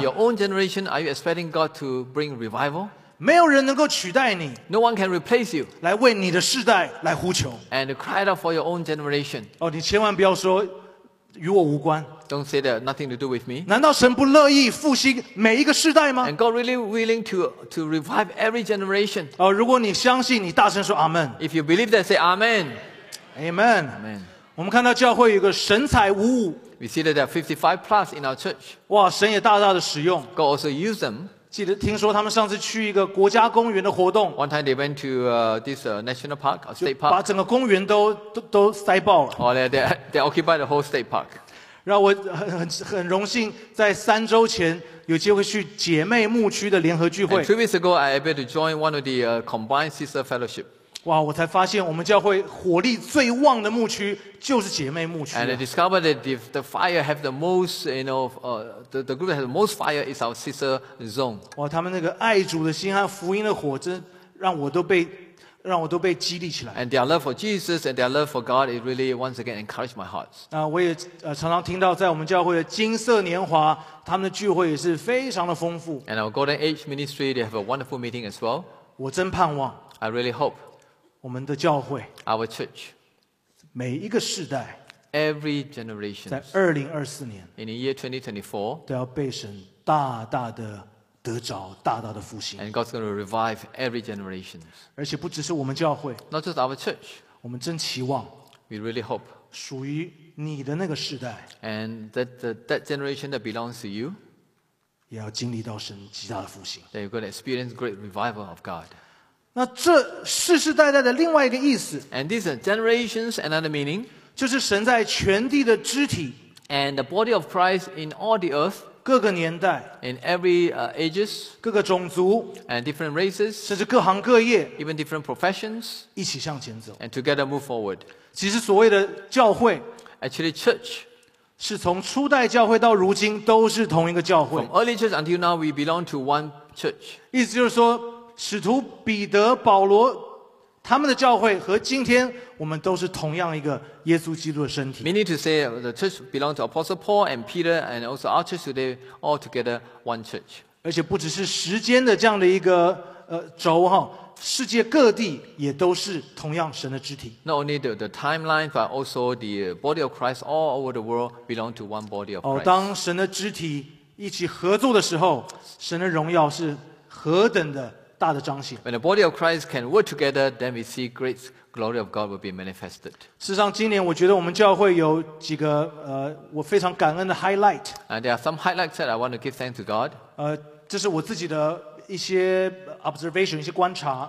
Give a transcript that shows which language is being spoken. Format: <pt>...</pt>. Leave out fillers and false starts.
<en>？Your own generation, are you expecting God to bring revival?</en> <zh>没有人能够取代你。</zh> <en>No one can replace you.</en> <zh>来为你的世代来呼求。</zh> <en>And cry out for your own generation.</en> <zh>哦，你千万不要说与我无关。</zh> <en>Don't say that nothing to do with me.</en> <zh>难道神不乐意复兴每一个世代吗？</zh> <en>And God really willing to revive every generation.</en> <zh>哦，如果你相信，你大声说阿门。</zh> <en>If you believe that, say Amen. Amen. Amen.</en> <zh>我们看到教会有个神采五五。</zh> <en>We see that there are 55 plus in our church.</en> <zh>哇，神也大大的使用。</zh> <en>God also used them.</en> <zh>记得听说他们上次去一个国家公园的活动。</zh> <en>One time they went to this national park, a state park.</en> <zh>把整个公园都塞爆了。</zh> <en>Oh, they occupied the whole state park.</en> <zh>让我很荣幸在三周前有机会去姐妹牧区的联合聚会。</zh> <en>And 2 weeks ago, I able to join one of the combined sister fellowship.</en> <zh>哇，我才发现我们教会火力最旺的牧区就是姐妹牧区。</zh> <en>And I discovered that the fire have the most, you know, the group that has the most fire is our sister zone.</en> <zh>哇，他们那个爱主的心和福音的火，真让我都被激励起来。</zh> <en>And their love for Jesus and their love for God, it really once again encouraged my heart.</en> <zh>那我也常常听到，在我们教会的金色年华，他们的聚会也是非常的丰富。</zh> <en>And our Golden Age Ministry, they have a wonderful meeting as well.</en> <zh>我真盼望。</zh> <en>I really hope.</en> <zh>我们的教会</zh> <en>Our church,</en> <zh>每一个世代</zh> <en>Every generation,</en> <zh>在2024年</zh> <en>In the year 2024,</en> <zh>都要被神大大的得着大大的复兴</zh> <en>And God's going to revive every generation.</en> <zh>而且不只是我们教会</zh> <en>Not just our church.</en> <zh>我们真期望</zh> <en>We really hope.</en> <zh>属于你的那个世代</zh> <en>And that generation that belongs to you,</en> <zh>也要经历到神极大的复兴</zh> <en>They're going to experience great revival of God.</en> <zh>那这世世代代的另外一个意思</zh> <en>And this is generations another meaning</en> <zh>就是神在全地的肢体</zh> <en>And the body of Christ in all the earth</en> <zh>各个年代</zh> <en>In every ages</en> <zh>各个种族</zh> <en>And different races</en> <zh>甚至各行各业</zh> <en>Even different professions</en> <zh>一起向前走</zh> <en>And together move forward</en> <zh>其实所谓的教会</zh> <en>Actually church</en> <zh>是从初代教会到如今都是同一个教会</zh> <en>From early church until now we belong to one church</en> <zh>意思就是说使徒彼得保罗他们的教会和今天我们都是同样一个耶稣基督的身体</zh> <en>Meaning to say the church belongs to Apostle Paul and Peter and also our church today all together one church</en> <zh>而且不只是时间的这样的一个轴哈，世界各地也都是同样神的肢体</zh> <en>Not only the timeline but also the body of Christ all over the world belong to one body of Christ</en> <zh>当神的肢体一起合作的时候神的荣耀是何等的</zh> <en>When the body of Christ can work together, then we see great glory of God will be manifested.</en> <zh>事实上，今年我觉得我们教会有几个我非常感恩的 highlight.</zh> <en>And there are some highlights that I want to give thanks to God.</en> <zh>这是我自己的一些 observation, 一些观察。</zh>